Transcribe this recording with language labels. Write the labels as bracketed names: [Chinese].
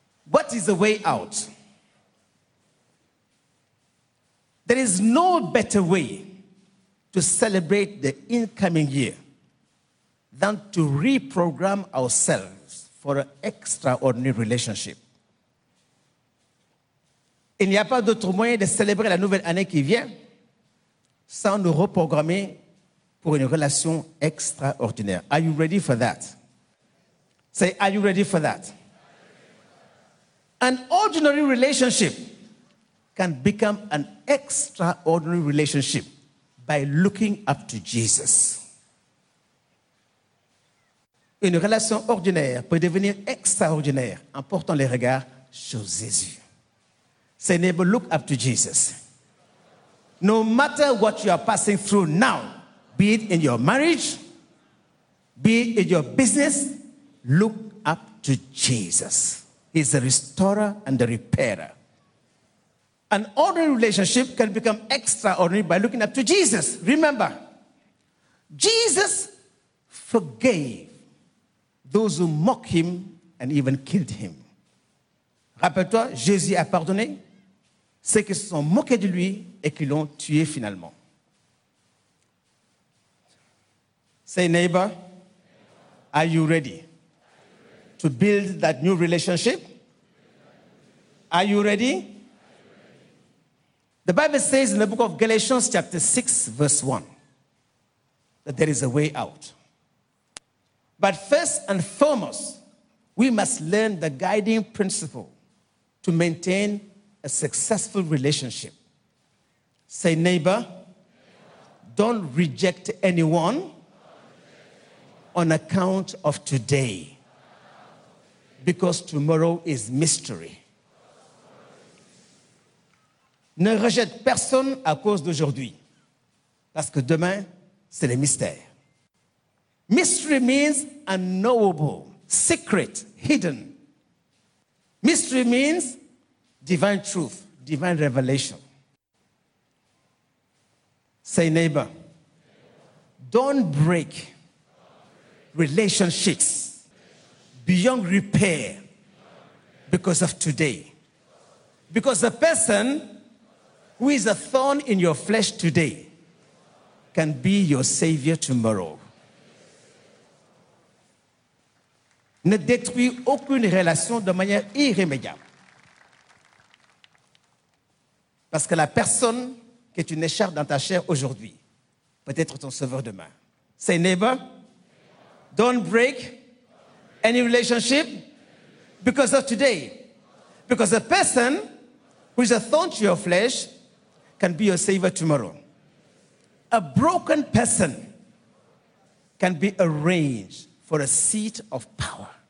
[English] What is the way out? There is no better way to celebrate the incoming year than to reprogram ourselves for an extraordinary relationship. [French] Il n'y a pas d'autre moyen de célébrer la nouvelle année qui vient sans nous reprogrammer pour une relation extraordinaire. [English] Are you ready for that? Say, are you ready for that? An ordinary relationship can become an extraordinary relationship by looking up to Jesus. [French] Une relation ordinaire peut devenir extraordinaire en portant les regards sur Jésus. [English] Say, neighbor, look up to Jesus. No matter what you are passing through now, be it in your marriage, be it in your business, look up to Jesus. He's the restorer and the repairer. An ordinary relationship can become extraordinary by looking up to Jesus. Remember, Jesus forgave those who mocked him and even killed him. [French] Rappelle-toi, Jésus a pardonné ceux qui se sont moqués de lui et qui l'ont tué finalement. [English] Say, neighbor, are you ready to build that new relationship? Are you ready? The Bible says in the book of Galatians, chapter 6, verse 1, that there is a way out. But first and foremost, we must learn the guiding principle to maintain a successful relationship. Say, neighbor, don't reject anyone on account of today, because tomorrow is mystery. [French] Ne rejette personne à cause d'aujourd'hui, parce que demain, c'est le mystère. [English] Mystery means unknowable, secret, hidden. Mystery means divine truth, divine revelation. Say, neighbor, don't break relationships beyond repair because of today. Because the person who is a thorn in your flesh today can be your savior tomorrow. [French] Ne détruis aucune relation de manière irrémédiable. Parce que la personne que tu écharpes dans ta chair aujourd'hui peut être ton sauveur demain. [English] Say, neighbor, don't break any relationship because of today. Because a person who is a thorn to your flesh can be your savior tomorrow. A broken person can be arranged for a seat of power.